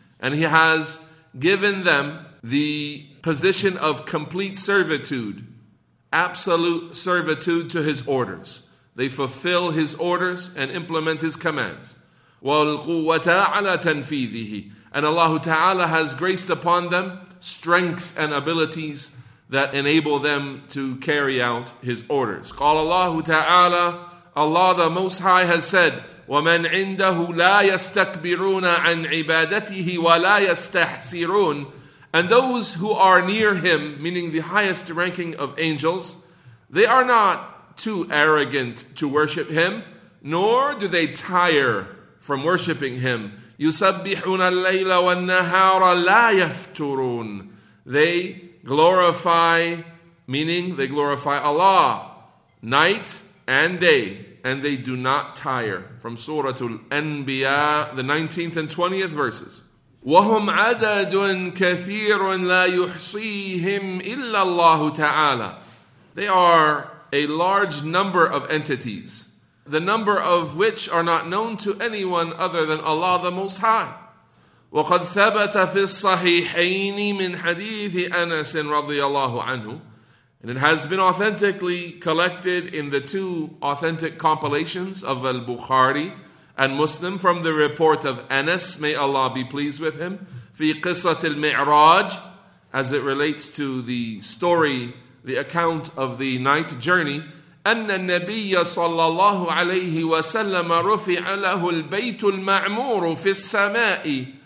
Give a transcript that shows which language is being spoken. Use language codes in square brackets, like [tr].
[en] And He has given them the position of complete servitude, absolute servitude to His orders. They fulfill His orders and implement His commands. [ar] وَالْقُوَّةَ عَلَى تَنْفِيذِهِ. [en] And Allah Ta'ala has graced upon them strength and abilities that enable them to carry out His orders. [ar] قَالَ اللَّهُ تَعَالَى. [en] Allah the Most High has said, [ar] وَمَنْ عِنْدَهُ لَا يَسْتَكْبِرُونَ عَنْ عِبَادَتِهِ وَلَا يَسْتَحْسِرُونَ. [en] And those who are near Him, meaning the highest ranking of angels, they are not too arrogant to worship Him, nor do they tire from worshiping Him. [ar] يُسَبِّحُونَ اللَّيْلَ وَالنَّهَارَ لَا يَفْتُرُونَ. [en] They glorify, meaning they glorify Allah, night and day, and they do not tire. From Suratul Anbiya, the 19th and 20th verses. [ar] وَهُمْ عَدَدٌ كَثِيرٌ لَا يُحْصِيهِمْ إِلَّا اللَّهُ تَعَالَى. [en] They are a large number of entities, the number of which are not known to anyone other than Allah the Most High. [ar] وَقَدْ ثَبَتَ فِي الصَّحِيحَيْنِ مِنْ حَدِيثِ أَنَسٍ رَضِيَ اللَّهُ عَنْهُ. [en] And it has been authentically collected in the two authentic compilations of Al-Bukhari and Muslim from the report of Anas, may Allah be pleased with him, [ar] في قصة المعراج, [en] as it relates to the story, the account of the night journey, [ar] أَنَّ النَّبِيَّ صَلَّى اللَّهُ عَلَيْهِ وَسَلَّمَ رُفِعَ لَهُ الْبَيْتُ الْمَعْمُورُ فِي السَّمَاءِ.